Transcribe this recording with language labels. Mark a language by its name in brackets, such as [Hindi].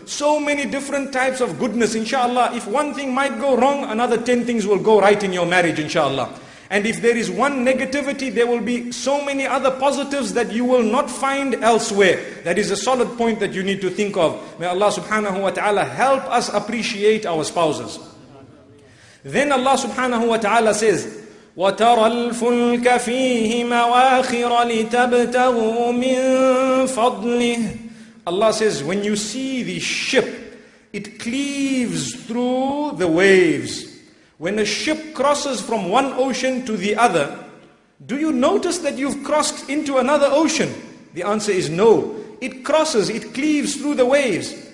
[English] So many different types of goodness, inshallah. If one thing might go wrong, another 10 things will go right in your marriage, inshallah. And if there is one negativity, there will be so many other positives that you will not find elsewhere. That is a solid point that you need to think of. May Allah subhanahu wa ta'ala help us appreciate our spouses. Then Allah subhanahu wa ta'ala says, [Arabic] وَتَرَى الْفُلْكَ فِيهِ مَوَاخِرَ لِتَبْتَغُوا مِنْ فَضْلِهِ. [English] Allah says, when you see the ship, it cleaves through the waves. When a ship crosses from one ocean to the other, do you notice that you've crossed into another ocean? The answer is no. It crosses, it cleaves through the waves.